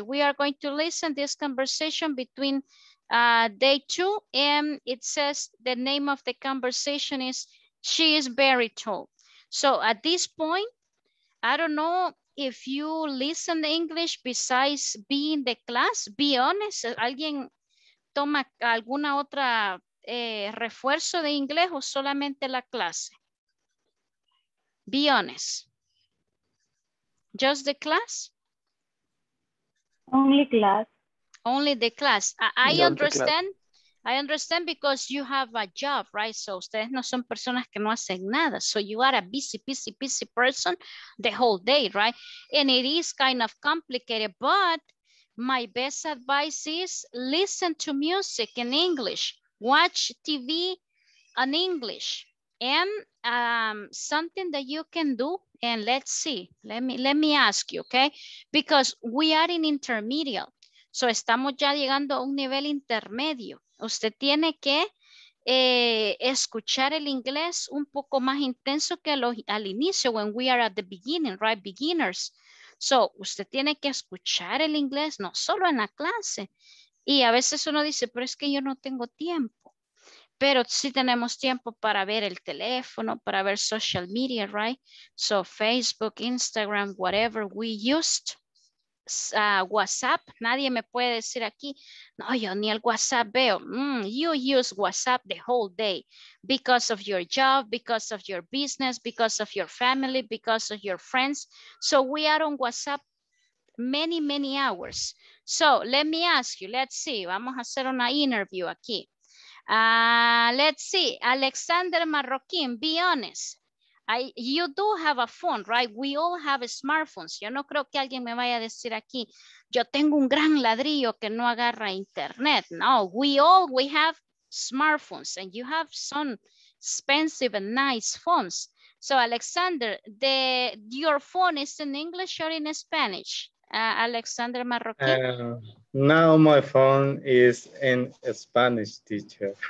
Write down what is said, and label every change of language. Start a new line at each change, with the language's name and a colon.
English: We are going to listen this conversation between day two, and it says the name of the conversation is "She is very tall." So at this point, I don't know if you listen to English besides being the class. Be honest.
Spanish: Alguien toma alguna otra refuerzo de inglés o solamente la clase?
English: Be honest. Just the class? Only class. Only the class. I understand. Class. I understand because you have a job, right?
Spanish: So ustedes no son personas que no hacen nada.
English: So you are a busy, busy, busy person the whole day, right? And it is kind of complicated, but my best advice is listen to music in English. Watch TV in English. And something that you can do, and let's see, let me ask you, okay? Because we are in intermediate.
Spanish: So estamos ya llegando a un nivel intermedio. Usted tiene que escuchar el inglés un poco más intenso que al inicio,
English: when we are at the beginning, right? Beginners.
Spanish: So usted tiene que escuchar el inglés, no solo en la clase. Y a veces uno dice, pero es que yo no tengo tiempo. pero sí tenemos tiempo para ver el teléfono, para ver
English: social media, right? So Facebook, Instagram, whatever we used.
Spanish: WhatsApp, nadie me puede decir aquí, no, yo ni el WhatsApp veo.
English: You use WhatsApp the whole day because of your job, because of your business, because of your family, because of your friends. So we are on WhatsApp many, many hours. So let me ask you, let's see,
Spanish: vamos a hacer una interview aquí.
English: Let's see, Alexander Marroquín, be honest. You do have a phone, right? We all have smartphones.
Spanish: Yo no creo que alguien me vaya a decir aquí, yo tengo un gran ladrillo que no agarra internet.
English: No, we have smartphones and you have some expensive and nice phones. So Alexander, your phone is in English or in Spanish? Alexander Marroquín. Now my phone is in Spanish, teacher.